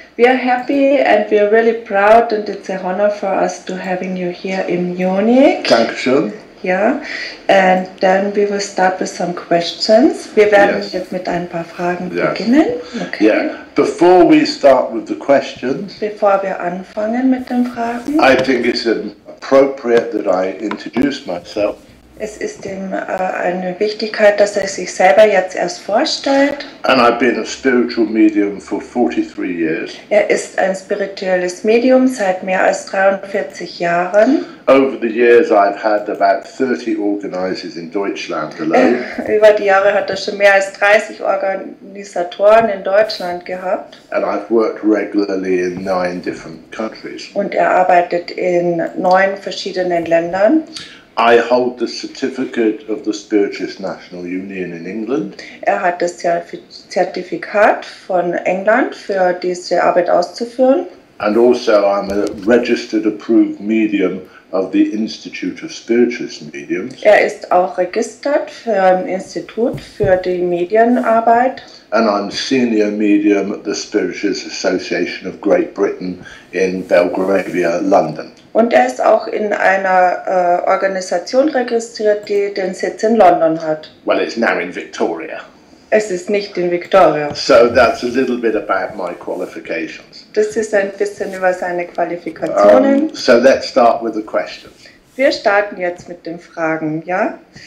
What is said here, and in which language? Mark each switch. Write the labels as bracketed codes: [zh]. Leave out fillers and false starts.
[en] We are happy and we are really proud, and it's a honor for us to having you here in Munich. [de] Dankeschön. [en] Yeah, and then we will start with some questions. [de] Wir werden jetzt mit ein paar Fragen beginnen. [en] Okay. Yeah. Before we start with the questions, [de] bevor wir anfangen mit den Fragen, [en] I think it's appropriate that I introduce myself. [de] Es ist ihm eine Wichtigkeit, dass er sich selber jetzt erst vorstellt. [en] And I've been a spiritual medium for 43 years. [de] Er ist ein spirituelles Medium seit mehr als 43 Jahren. [en] Over the years I've had about 30 organizers in Deutschland alone. [de] Über die Jahre hat er schon mehr als 30 Organisatoren in Deutschland gehabt. [en] And I've worked regularly in 9 different countries. [de] Und er arbeitet in 9 verschiedenen Ländern. [en] I hold the certificate of the Spiritist National Union in England. [de] Er hat das Zertifikat von England für diese Arbeit auszuführen. [en] And also I'm a registered approved medium of the Institute of Spiritist Mediums. [de] Er ist auch registriert für ein Institut für die Medienarbeit. [en] And I'm senior medium at the Spiritist Association of Great Britain in Belgravia, London. [de] Und er ist auch in einer Organisation registriert, die den Sitz in London hat. [en] Well, it's now in Victoria. [de] Es ist nicht in Victoria. [en] So that's a little bit about my qualifications. [de] Das ist ein bisschen über seine Qualifikationen. [en] So let's start with the questions. [de] Wir starten jetzt mit den Fragen, ja?